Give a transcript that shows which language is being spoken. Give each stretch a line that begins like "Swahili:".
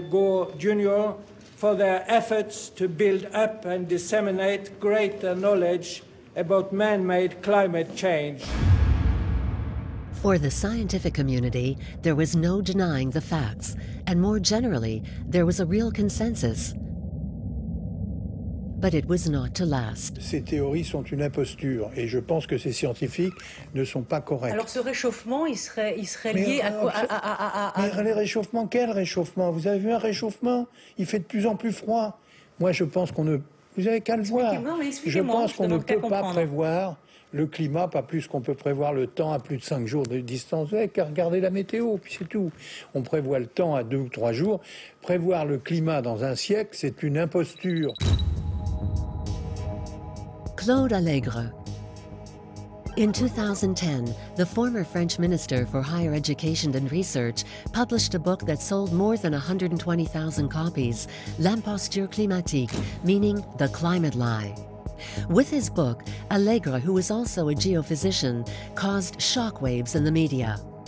English: Gore Jr. for their efforts to build up and disseminate greater knowledge about man-made climate change. For the scientific community, there was no denying the facts, and more generally, there was a real consensus. But it was not to last.
French: Ces théories sont une imposture, et je pense que ces scientifiques ne sont pas corrects. Alors ce réchauffement, il serait lié à quoi? Les réchauffements, quel réchauffement? Vous avez vu un réchauffement? Il fait de plus en plus froid. Moi, je pense qu'on ne. Vous avez qu'à le voir. Je pense qu'on ne peut pas prévoir le climat, pas plus qu'on peut prévoir le temps à plus de 5 jours de distance. Vous avez qu'à regarder la météo, puis c'est tout. On prévoit le temps à 2 ou 3 jours. Prévoir le climat dans un siècle, c'est une imposture. Claude Allègre.
English: In 2010, the former French Minister for Higher Education and Research published a book that sold more than 120,000 copies, L'imposture climatique, meaning the climate lie. With his book, Allègre, who was also a geophysician, caused shockwaves in the media.